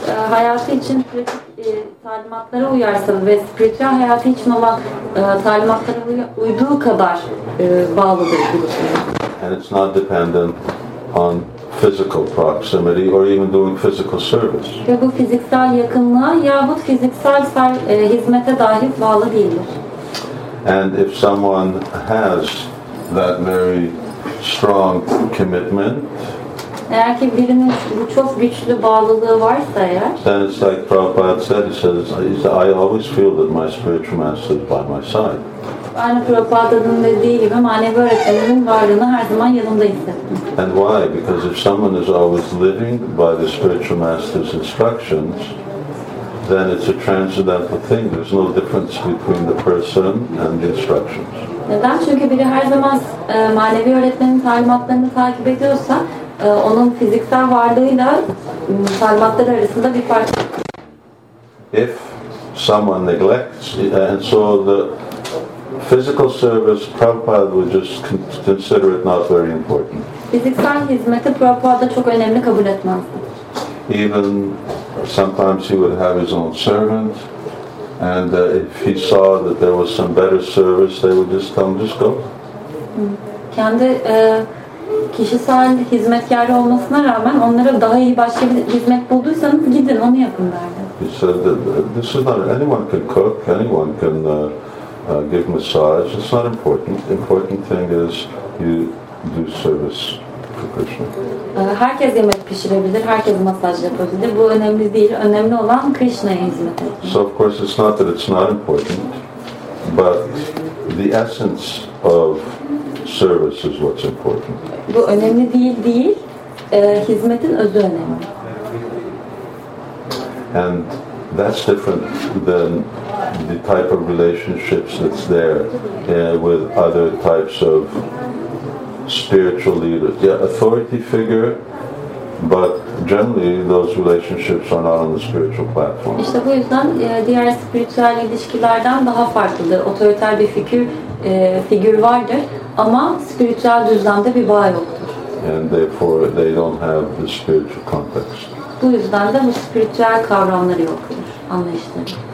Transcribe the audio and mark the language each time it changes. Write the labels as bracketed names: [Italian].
[Turkish] Hayatı için talimatlara uyarsa ve spiritüel hayatı için olan talimatlara uyduğu kadar bağlıdır bu. [English] And it's not dependent on physical proximity or even doing physical service. [Turkish] Ya bu fiziksel yakınlığa ya bu fiziksel hizmete dahi bağlı değildir. [English] And if someone has that very strong commitment, [Turkish] eğer ki birinin bu çok güçlü bağlılığı varsa eğer, [English] then it's like Prabhupada said, he says, I always feel that my spiritual master is by my side. [Turkish] Aynı Prabhupada'nın dediği gibi manevi öğretmenimin varlığını her zaman yanımda hissettim. [English] And why? Because if someone is always living by the spiritual master's instructions, then it's a transcendental thing. There's no difference between the person and the instructions. [Turkish] Neden? Çünkü biri her zaman manevi öğretmenin talimatlarını takip ediyorsa, onun fiziksel varlığıyla talimatlar arasında bir fark. [English] If someone neglects, and so the physical service, Prabhupada would just consider it not very important. [Turkish] Fiziksel hizmeti Prabhupada çok önemli kabul etmez. [English] Even sometimes he would have his own servant. And if he saw that there was some better service, they would just come, just go. [Turkish] Kendi kişisel hizmetkarı olmasına rağmen onlara daha iyi başka bir hizmet bulduysanız gidin, onu yapın derdi. [English] He said that this is not, anyone can cook, anyone can give massage, it's not important. The important thing is you do service for Krishna. [Turkish] Herkes yemek pişirebilir, herkes masaj yapabilir. Bu önemli değil. Önemli olan Krishna'ya hizmet etmek. [English] So of course it's not that it's not important, but the essence of service is what's important. [Turkish] Bu önemli değil, değil. Hizmetin özü önemli. [English] And that's different than the type of relationships that's there with other types of spiritual leaders. Yeah, authority figure, but generally those relationships are not on the spiritual platform. [Turkish] İşte bu yüzden diğer spiritüel ilişkilerden daha farklıdır. Otoriter bir figür vardır ama spiritüel düzlemde bir bağ yoktur. [English] And therefore they don't have the spiritual context. [Turkish] Bu yüzden de bu spiritüel kavramları yoktur, anlayışları.